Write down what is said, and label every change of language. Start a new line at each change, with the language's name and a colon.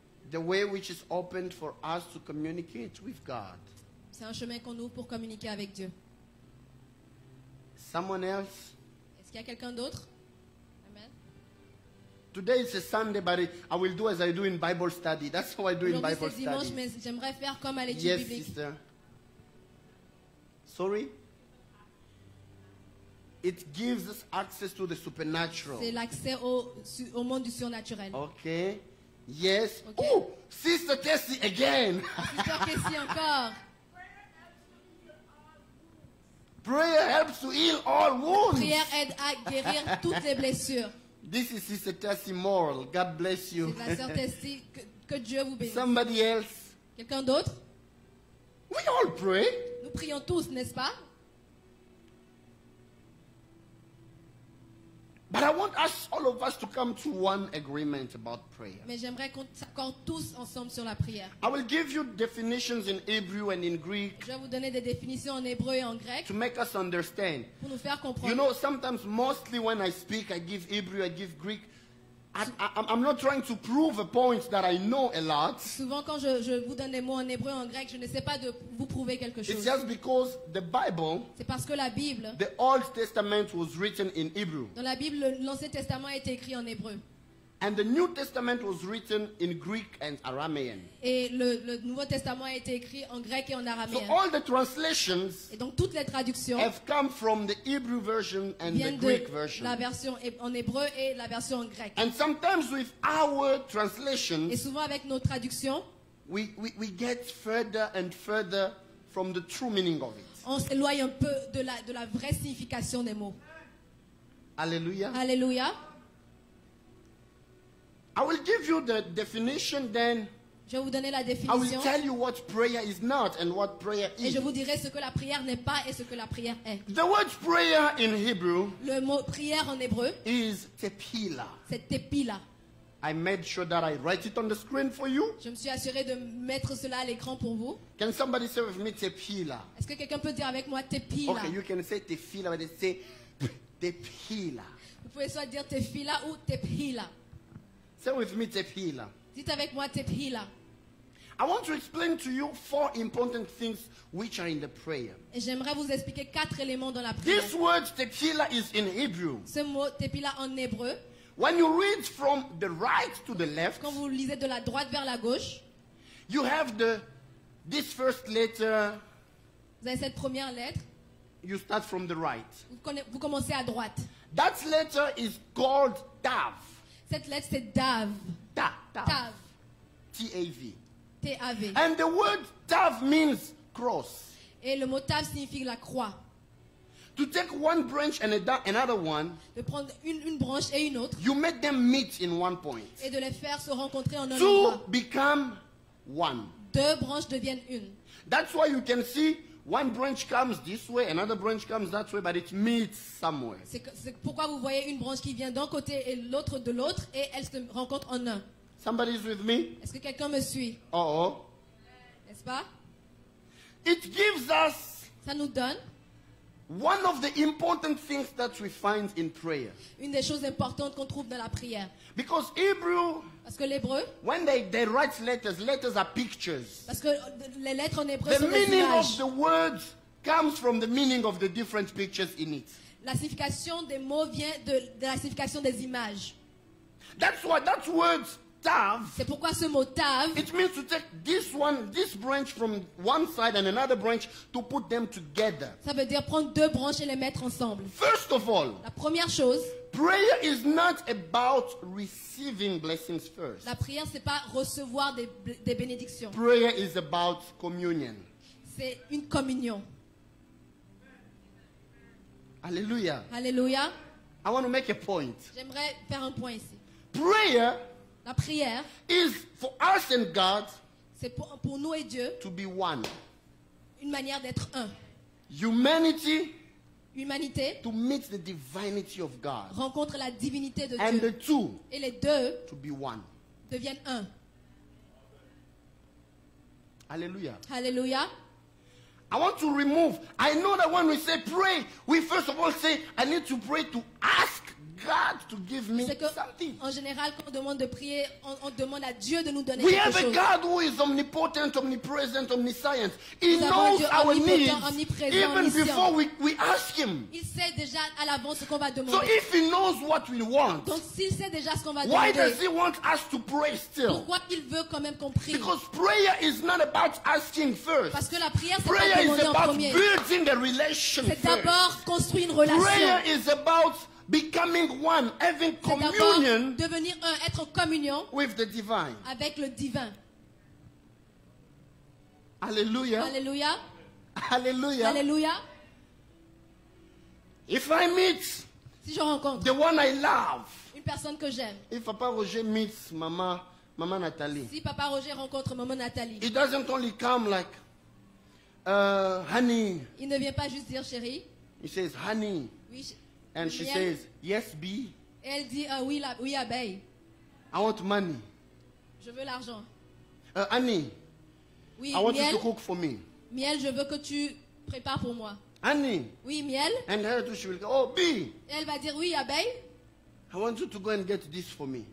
English: The way which is opened for us to communicate with God.
French: C'est un chemin qu'on ouvre pour communiquer avec Dieu.
English: Someone else?
French: Est-ce qu'il y a quelqu'un d'autre? Amen.
English: Today is a Sunday, but I will do as I do in Bible study. That's how I do in Bible study.
French: Aujourd'hui c'est dimanche, mais j'aimerais faire comme à l'étude
English: yes,
French: biblique.
English: Yes, sister. Sorry. It gives us access to the supernatural.
French: C'est l'accès au monde du surnaturel.
English: Okay. Yes. Okay. Oh, Sister Cassie again.
French: Sister Cassie encore.
English: Prayer helps to heal all wounds.
French: Prière aide à guérir toutes les blessures.
English: This is Sister Cassie Morel. God bless you.
French: C'est la sœur Cassie. Que Dieu vous bénisse.
English: Somebody else.
French: Quelqu'un d'autre?
English: We all pray.
French: Nous prions tous, n'est-ce pas?
English: But I want us all of us to come to one agreement about prayer.
French: Mais j'aimerais qu'on s'accorde tous ensemble sur la prière.
English: I will give you definitions in Hebrew and in Greek.
French: Je vais vous donner des définitions en hébreu et en grec.
English: To make us understand.
French: Pour nous faire comprendre.
English: You know, sometimes mostly when I speak, I give Hebrew, I give Greek. I'm not trying to prove a point that I know a lot.
French: Souvent quand je vous donne des mots en hébreu et en grec, je n'essaie pas de vous prouver quelque chose.
English: It's just because the Bible.
French: C'est parce que la Bible.
English: The Old Testament was written in Hebrew.
French: Dans la Bible, l'Ancien Testament a été écrit en hébreu.
English: And the New Testament was written in Greek and Aramean.
French: Et le Nouveau Testament a été écrit en grec et en araméen.
English: So all the translations.
French: Et donc toutes les traductions.
English: Have come from the Hebrew version and the Greek version.
French: La version en hébreu et la version en grec.
English: And sometimes with our translations.
French: Et souvent avec nos traductions.
English: We get further and further from the true meaning of it.
French: On s'éloigne un peu de la vraie signification des mots. Alléluia. Alléluia.
English: I will give you the definition then.
French: Je vais vous donner la définition.
English: I will tell you what prayer is not and what prayer is.
French: Et je vous dirai ce que la prière n'est pas et ce que la prière est.
English: The word prayer in Hebrew.
French: Le mot prière en hébreu.
English: Is tepila.
French: C'est tepila.
English: I made sure that I write it on the screen for you.
French: Je me suis assuré de mettre cela à l'écran pour vous.
English: Can somebody say with me tepila?
French: Est-ce que quelqu'un peut dire avec moi tepila?
English: Okay, you can say tepila, but say tepila.
French: Vous pouvez soit dire tepila ou tepila.
English: Say with me tepila.
French: Dites avec moi tepila.
English: I want to explain to you four important things which are in the prayer.
French: Et j'aimerais vous expliquer quatre éléments dans la prière.
English: This word tepila is in Hebrew.
French: Ce mot tepila en hébreu.
English: When you read from the right to the left,
French: quand vous lisez de la droite vers la gauche,
English: you have this first letter.
French: Vous avez cette première lettre.
English: You start from the right.
French: Vous commencez à droite.
English: That letter is called Tav.
French: Cette lettre c'est Tav.
English: Tav. T-A-V. T-A-V. And the word Tav means cross.
French: Et le mot Tav signifie la croix.
English: To take one branch and another one.
French: De prendre une branche et une autre.
English: You make them meet in one point.
French: Et de les faire se rencontrer en un
English: Two
French: endroit.
English: Two become one.
French: Deux branches deviennent une.
English: That's why you can see. One branch comes this way, another branch comes that way, but it meets somewhere.
French: C'est pourquoi vous voyez une branche qui vient d'un côté et l'autre de l'autre, et elles se rencontrent en un.
English: Somebody is with me?
French: Est-ce que quelqu'un me suit? Oh. N'est-ce pas?
English: It gives us.
French: Ça nous donne.
English: One of the important things that we find in prayer.
French: Une des choses importantes qu'on trouve dans la prière.
English: Because Hebrew.
French: Parce que l'hébreu.
English: When they write letters, letters are pictures.
French: Parce que les lettres en hébreu
English: the
French: sont des images.
English: The meaning of the words comes from the meaning of the different pictures in it.
French: La signification des mots vient de la signification des images.
English: That's why that word tav.
French: C'est pourquoi ce mot tav.
English: It means to take this one, this branch from one side and another branch to put them together.
French: Ça veut dire prendre deux branches et les mettre ensemble.
English: First of all.
French: La première chose.
English: Prayer is not about receiving blessings first.
French: La prière c'est pas recevoir des bénédictions.
English: Prayer is about communion.
French: C'est une communion.
English: Hallelujah. Hallelujah. I want to make a point.
French: J'aimerais faire un point ici.
English: Prayer.
French: La prière.
English: Is for us and God.
French: C'est pour nous et Dieu.
English: To be one.
French: Une manière d'être un.
English: Humanity.
French: Humanité.
English: To meet the divinity of God.
French: Rencontre la divinité de
English: and
French: Dieu.
English: And the two.
French: Et les deux.
English: To be one.
French: Deviennent un.
English: Hallelujah. Hallelujah. I want to remove. I know that when we say pray, we first of all say I need to pray to ask God to give me something.
French: En général, quand on demande de prier, on demande à Dieu de nous donner quelque chose.
English: We have a God who is omnipotent, omnipresent, omniscient. He knows our needs even before we ask him.
French: Il sait déjà à l'avance ce qu'on va demander.
English: So if he knows what we want,
French: donc s'il sait déjà ce qu'on va
English: why
French: demander,
English: does he want us to pray still?
French: Pourquoi il veut quand même qu'on prie?
English: Because prayer is not about asking first.
French: Parce que la prière c'est
English: prayer
French: pas demander
English: is about
French: en premier.
English: Building a relation
French: c'est d'abord
English: first.
French: Construire une relation.
English: Prayer is about becoming one, having communion,
French: devenir un, être en communion
English: with the divine.
French: Avec le divin. Alléluia. Alléluia. Alléluia. Alléluia.
English: If I meet
French: si je rencontre
English: the one I love,
French: une personne que j'aime.
English: If Papa Roger meets Mama Nathalie.
French: Si Papa Roger rencontre Maman Nathalie.
English: He doesn't only come like honey.
French: Il ne vient pas juste dire chérie.
English: He says honey.
French: Oui.
English: And she says, yes, bee.
French: Elle dit, oui, la, oui, abeille.
English: I want money.
French: Je veux l'argent.
English: Annie.
French: Oui,
English: I want
French: miel,
English: you to cook for me.
French: Miel, je veux que tu prépares pour moi.
English: Annie.
French: Oui, miel.
English: And her too, she will go, oh, bee.
French: Elle va dire, oui, abeille.
English: I want you to go and get this for me.